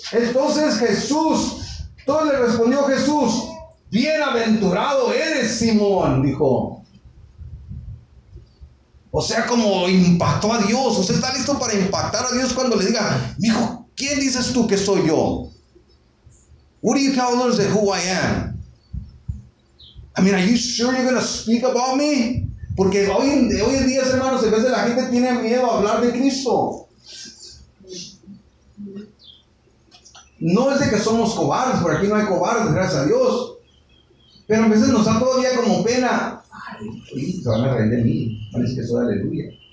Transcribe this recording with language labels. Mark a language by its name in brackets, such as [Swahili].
[Spanish] Entonces Jesús, todo le respondió Jesús, bienaventurado eres, Simón, dijo. O sea, como impactó a Dios. Usted está listo para impactar a Dios cuando le diga, mijo, ¿quién dices tú que soy yo? [English] What do you tell others of who I am? I mean, are you sure you're going to speak about me? [Spanish] Porque hoy en día, hermanos, a veces la gente tiene miedo a hablar de Cristo. No es de que somos cobardes, por aquí no hay cobardes, gracias a Dios. Pero a veces nos da todavía como pena. Ay, se van a reír de mí, parece que soy aleluya.